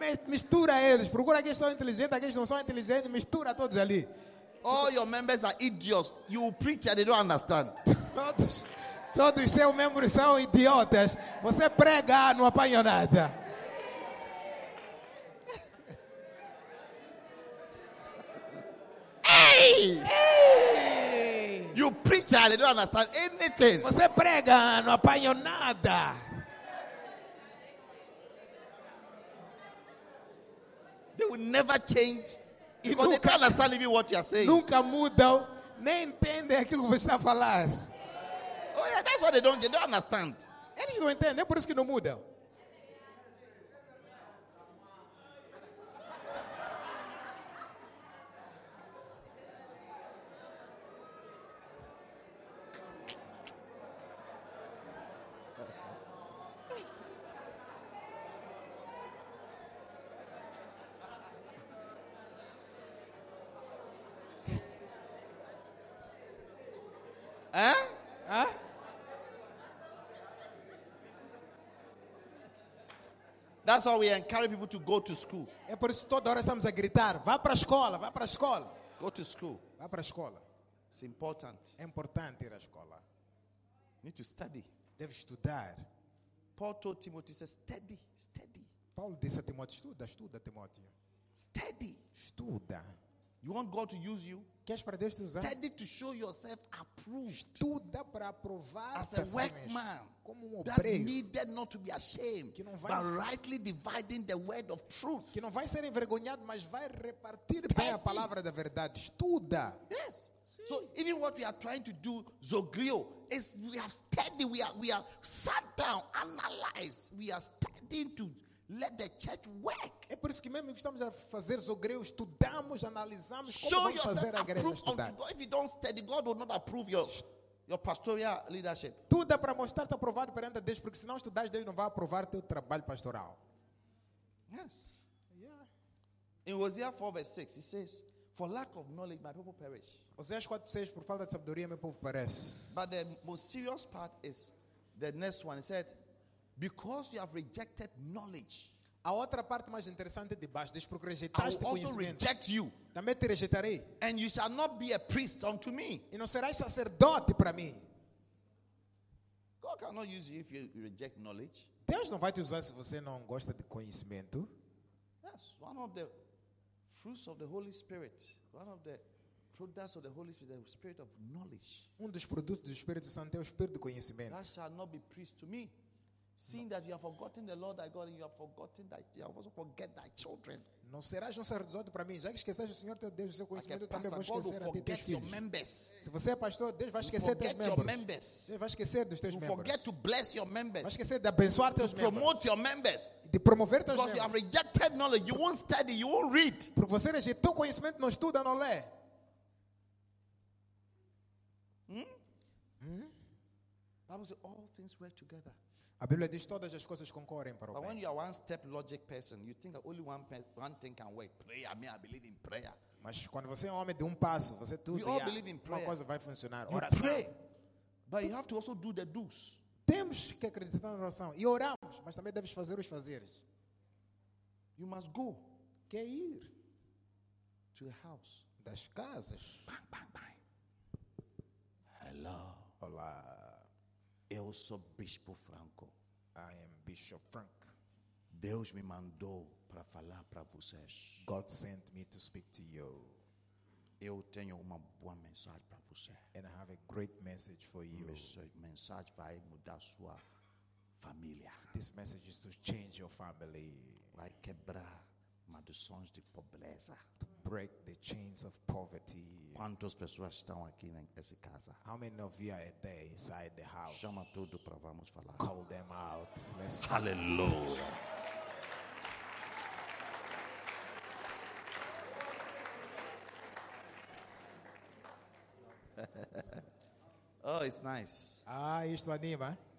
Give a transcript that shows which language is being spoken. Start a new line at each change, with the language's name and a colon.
Portuguese: Mistura eles. Procura aqueles que são inteligentes, aqueles que não são inteligentes. Mistura todos ali.
English: All your members are idiots. You preach and they don't understand.
Portuguese: Todos seus membros são idiotas. Você prega, não apanha nada.
English: Hey! You preach and they don't understand anything.
Portuguese: Você prega, não apanha nada.
English: They will never change because
Portuguese: nunca,
English: they can't understand even what you are saying.
Portuguese: Nunca mudam, nem entendem aquilo que você está a falar.
English: Oh yeah, that's why they don't understand.
Portuguese: Eles não entendem, é por isso que não mudam.
English: That's why we encourage people to go to school.
Portuguese: É por isso que toda hora estamos a gritar, vá para a escola, vá para a escola.
English: Go to school.
Portuguese: Vá para a escola.
English: It's important.
Portuguese: É importante ir à escola.
English: You need to study.
Portuguese: Deve estudar.
English: Paul told Timothy, he says, study.
Portuguese: Paulo disse a Timóteo, estuda, Timóteo.
English: Study.
Portuguese: Estuda.
English: You want God to use you?
Portuguese: Queres para Deus te usar?
English: Study to show yourself approved.
Portuguese: Estuda para aprovar
English: as a workman.
Portuguese: Como um obreiro.
English: That needed not to be ashamed.
Portuguese: Que não vai
English: but rightly dividing the word of truth.
Portuguese: Que não vai ser envergonhado, mas vai repartir bem a palavra da verdade. Estuda.
English: Yes.
Portuguese: Sim.
English: So even what we are trying to do, Zoglio, is we have studied, we are sat down, analyzed, we are studying to let the church work.
Portuguese: É por isso que mesmo que estamos a fazer Zogreu, estudamos, analisamos como vamos fazer a igreja estudar.
English: God, if you don't study, God will not approve your pastoral leadership.
Portuguese: Tudo é para mostrar-te aprovado perante Deus, porque se não estudares, Deus não vai aprovar teu trabalho pastoral.
English: Yes. Yeah. In Hosea 4 verse 6, he says, for lack of knowledge, my people perish. Hosea 4 says,
Portuguese: por falta de sabedoria, meu povo perece.
English: But the most serious part is the next one. He said, because you have rejected knowledge.
Portuguese: A outra parte mais interessante de baixo, diz porque rejeitaste conhecimento.
English: I will also reject you.
Portuguese: Também te rejeitarei.
English: And you shall not be a priest unto me.
Portuguese: E não serás sacerdote para mim.
English: God cannot use you if you reject knowledge.
Portuguese: Deus não vai te usar se você não gosta de conhecimento.
English: Yes, one of the fruits of the Holy Spirit, one of the products of the Holy Spirit, the Spirit of knowledge.
Portuguese: Um dos produtos do Espírito Santo é o Espírito do conhecimento.
English: Thou shalt not be priest to me, seeing that you have forgotten the Lord thy God, and you have forgotten that you have also forget thy children.
Portuguese: Não serás um sacerdote para mim, já que esqueceste o Senhor teu Deus, o seu conhecimento, também vou esquecer a teus filhos. Se você é pastor, Deus vai esquecer teus membros. Deus vai esquecer dos teus membros.
English: Forget to bless your members.
Portuguese: Vai esquecer de abençoar teus membros.
English: Promote your members.
Portuguese: De promover teus membros.
English: Because you have rejected knowledge, you won't study, you won't read.
Portuguese: Porque você rejeitou o conhecimento, não estuda, não lê. A Bíblia diz,
English: all things work together.
Portuguese: A Bíblia diz todas as coisas concorrem para o bem.
English: But when you are one step logic person, you think that only one thing can work. Prayer, me, I believe in prayer.
Portuguese: Mas quando você é um homem de um passo, você tudo.
English: We all believe in prayer.
Portuguese: Uma coisa vai funcionar.
English: You
Portuguese: oração.
English: Pray, but you have to also do the do's.
Portuguese: Temos que acreditar na oração e oramos, mas também deves fazer os fazeres.
English: You must go.
Portuguese: Quer ir
English: to the house.
Portuguese: Das casas.
English: Bang, bang, bang. Hello.
Portuguese: Olá. Eu sou Bispo Franco.
English: I am Bishop Frank.
Portuguese: Deus me mandou para falar para vocês.
English: God sent me to speak to you.
Portuguese: Eu tenho uma boa mensagem para você.
English: And I have a great message for you.
Portuguese: Mensagem vai mudar sua família.
English: This message is to change your family.
Portuguese: Vai quebrar maldições de pobreza.
English: To break the chains of poverty.
Portuguese: Quantas pessoas estão aqui nessa casa?
English: How many of you are there inside the house?
Portuguese: Chama tudo para vamos falar.
English: Call them out. Let's hallelujah. Oh, it's nice.
Portuguese: Ah, isso anima.